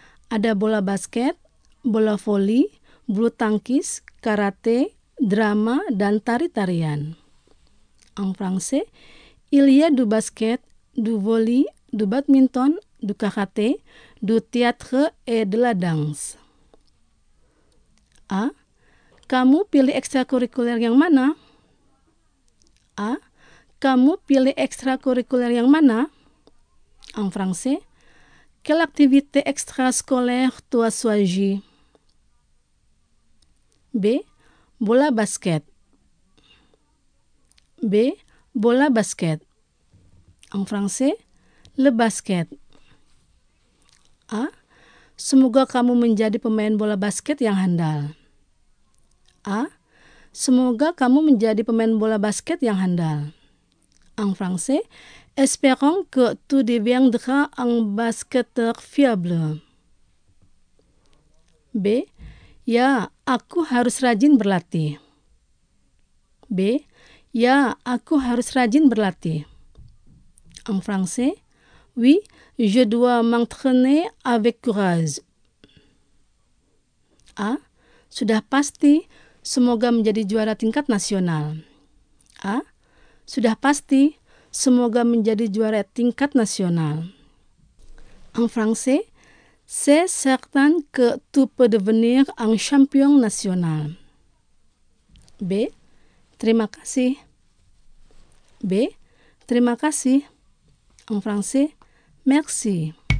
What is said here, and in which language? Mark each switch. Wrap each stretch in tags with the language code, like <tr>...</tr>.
<id>Ada bola basket, bola voli, bulu tangkis, karate, drama, dan tari-tarian.</id> <fr>En français, il y a du basket, du voli, du badminton, du karate, du théâtre et de la danse. A.</fr> <id>Kamu pilih ekstrakurikuler yang mana? A. Kamu pilih ekstrakurikuler yang mana?</id> <fr>En français, quelle activité extrascolaire tu as choisi?</fr> <id>B. Bola basket.</id> <fr>B.</fr> <id>Bola basket.</id> <fr>En français, le basket. A.</fr> <id>Semoga kamu menjadi pemain bola basket yang handal. A. Semoga kamu menjadi pemain bola basket yang handal.</id> <fr>En français, espérons que tu deviendras un basketteur fiable.</fr> <id>B. Ya, aku harus rajin berlatih. B. Ya, aku harus rajin berlatih.</id> <fr>En français, oui, je dois m'entraîner avec courage.</fr> <id>A, sudah pasti, semoga menjadi juara tingkat nasional. A, sudah pasti, semoga menjadi juara tingkat nasional.</id> <fr>En français, c'est certain que tu peux devenir un champion national.</fr> <id>B, terima kasih. B, terima kasih.</id> <fr>En français, merci.</fr>